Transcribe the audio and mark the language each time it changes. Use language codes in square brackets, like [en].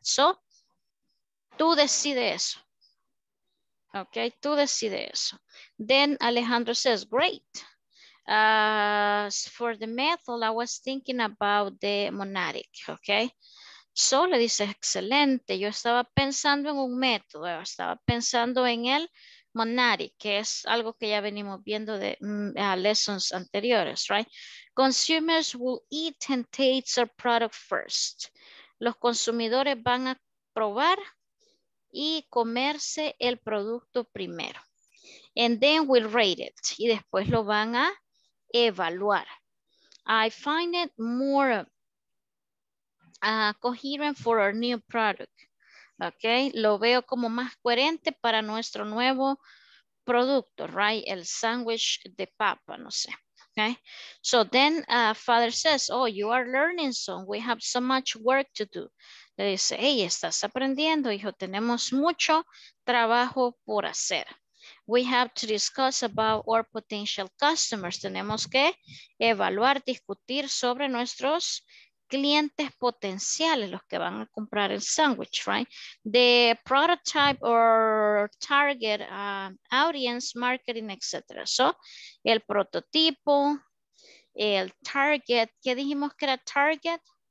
[es] So, tú decide eso. Okay, tú decide eso. [en] Then Alejandro says, great. For the method, I was thinking about the monadic. [es] Okay, so le dice, excelente. Yo estaba pensando en un método. Estaba pensando en el monadic, que es algo que ya venimos viendo de lessons anteriores, right? [en] Consumers will eat and taste our product first. [es] Los consumidores van a probar y comerse el producto primero. [en] And then we'll rate it. [es] Y después lo van a evaluar. [en] I find it more coherent for our new product. [es] Okay, lo veo como más coherente para nuestro nuevo producto, right? El sándwich de papa, no sé. [en] Okay, so then father says, oh, you are learning some. We have so much work to do. [es] Le dice, hey, estás aprendiendo, hijo. Tenemos mucho trabajo por hacer. [en] We have to discuss about our potential customers. [es] Tenemos que evaluar, discutir sobre nuestros clientes potenciales, los que van a comprar el sándwich, right? [en] The prototype or target audience, marketing, etc. [es] So, el prototipo, el target, ¿qué dijimos que era target?